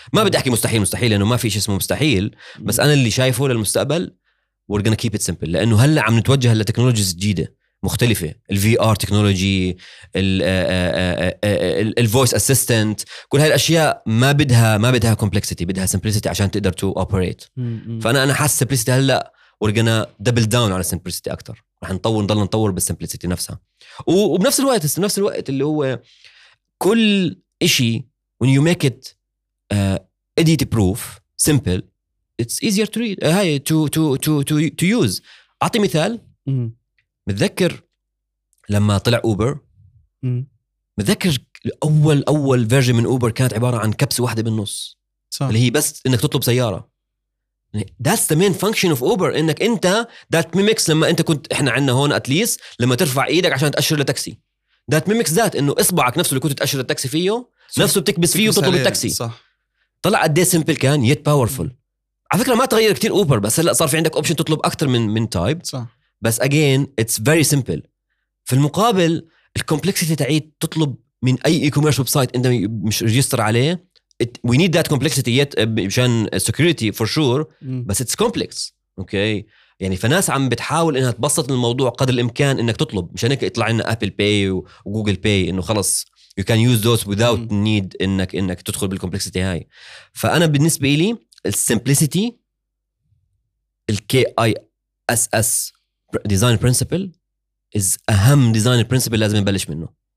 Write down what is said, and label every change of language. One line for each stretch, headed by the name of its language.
Arabic: ما بدي أحكي مستحيل لأنه ما في شيء اسمه مستحيل, بس أنا اللي شايفه للمستقبل
English: we're gonna keep it simple,
Arabic: لأنه هلأ عم نتوجه لتكنولوجيز جديدة مختلفة, الـ VR تكنولوجي, الـ voice assistant, كل هاي الأشياء ما بدها complexity, بدها simplicity عشان تقدر
English: to operate.
Arabic: فأنا حاسس simplicity هلأ
English: we're gonna double down
Arabic: على simplicity أكتر, رح نطور نضل نطور بالسمبليسيتي نفسها. وبنفس الوقت اللي هو كل إشي
English: when you make it idiot proof simple it's easier to read هاي to use.
Arabic: أعطي مثال. متذكر لما طلع أوبر؟ متذكر أول فيرجن من أوبر كانت عبارة عن كبسة واحدة بالنص صح. اللي هي بس إنك تطلب سيارة.
English: That's the main function of Uber,
Arabic: إنك أنت
English: that mimics
Arabic: لما أنت كنت إحنا عنا هون
English: at least
Arabic: لما ترفع إيدك عشان تأشر لتاكسي.
English: That mimics that
Arabic: إنه إصبعك نفسه اللي كنت تأشر لتاكسي فيه نفسه بتكبس فيه وتطلب التاكسي. صح. طلع قد إيه simple كان
English: yet powerful.
Arabic: على فكرة ما تغير كتير Uber, بس هلأ صار في عندك option تطلب أكتر من type. صح.
English: بس again it's very simple. في المقابل الكومبلكسيتي تعيد تطلب من أي e-commerce website أنت مش ريجستر عليه. We need that complexity yet
Arabic: عشان
English: security for sure. بس it's complex. Okay.
Arabic: يعني فناس عم بتحاول انها تبسط الموضوع قدر الامكان انك تطلب, مشان هيك يطلع لنا Apple Pay وGoogle Pay انه خلص
English: you can use those without need
Arabic: انك تدخل بالcomplexity هاي. فانا بالنسبة لي السمبليسيتي
English: KISS design principle is
Arabic: اهم design principle لازم نبلش منه.